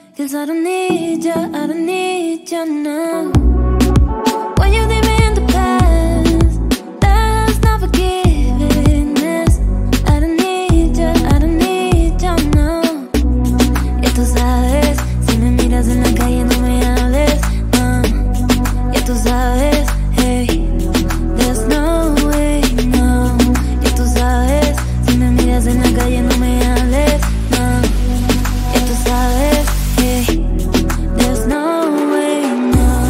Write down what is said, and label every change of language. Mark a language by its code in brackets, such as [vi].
[en] I don't need ya, I don't need ya, no. When you leave me in the past, that's not forgiveness. I don't need ya, I don't need ya, no. [es] Y tú sabes, si me miras en la calle no me hables, no. Y tú sabes, [en] hey, there's no way, no. [es] Y tú sabes, si me miras en la calle no me hables, no. Y tú sabes, [en] hey, there's no way, no.